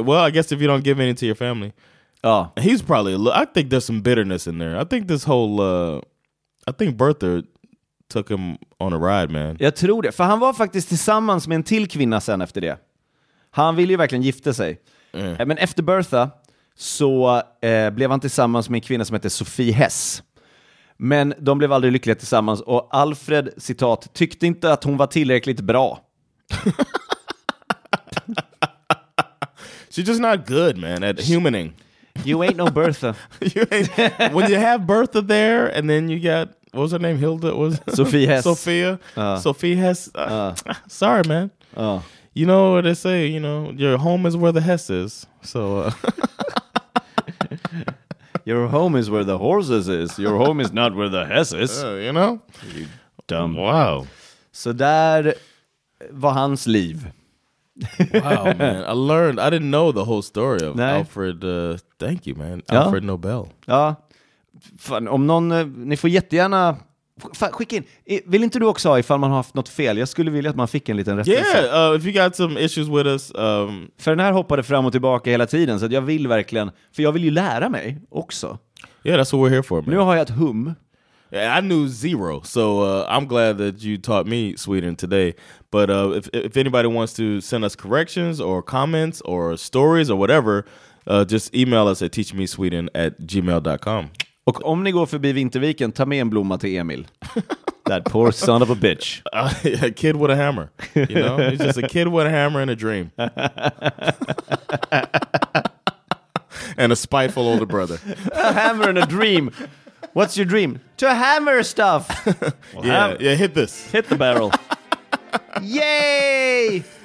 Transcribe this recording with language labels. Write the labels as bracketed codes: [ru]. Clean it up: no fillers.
[en] Well, I guess if you don't give any to your family. Oh. He's probably, I think there's some bitterness in there. I think this whole, I think Bertha took him on a ride, man. [sv] Jag tror det. För han var faktiskt tillsammans med en till kvinna sen efter det. Han ville ju verkligen gifta sig. Mm. Men efter Bertha så blev han tillsammans med en kvinna som heter Sophie Hess. Men de blev aldrig lyckliga tillsammans. Och Alfred, citat, tyckte inte att hon var tillräckligt bra. [en] She's just not good, man, at humaning. You ain't no Bertha. You ain't, when you have Bertha there and then you got, what was her name, Hilda? Was Sophie Hess. Sophia. Sophie Hess. Sorry, man. You know what they say, you know, your home is where the Hess is. So... Your home is where the horses is. Your home is not where the Hess is. You know? You dumb. Wow. [sv] Så där var hans liv. [en] Wow, man. I learned. I didn't know the whole story of Alfred. Thank you, man. [sv] Ja. [en] Alfred Nobel. [sv] Ja. Fan, om någon, ni får jättegärna skicka in. Vill inte du också ha ifall man har haft något fel? Jag skulle vilja att man fick en liten rättelse. [en] Yeah, if you got some issues with us. [sv] För den här hoppade fram och tillbaka hela tiden. Så att jag vill verkligen, för jag vill ju lära mig också. [en] Yeah, that's what we're here for, man. [sv] Nu har jag ett hum. [en] Yeah, I knew zero. So I'm glad that you taught me Sweden today. But if anybody wants to send us corrections or comments or stories or whatever, just email us at teachmesweden@gmail.com. [sv] Och om ni går förbi Vinterviken, ta med en blomma till Emil. [en] That poor son of a bitch. A kid with a hammer. You know? He's just a kid with a hammer and a dream. And a spiteful older brother. A hammer and a dream. What's your dream? To hammer stuff. Well, yeah, yeah, hit this. Hit the barrel. Yay!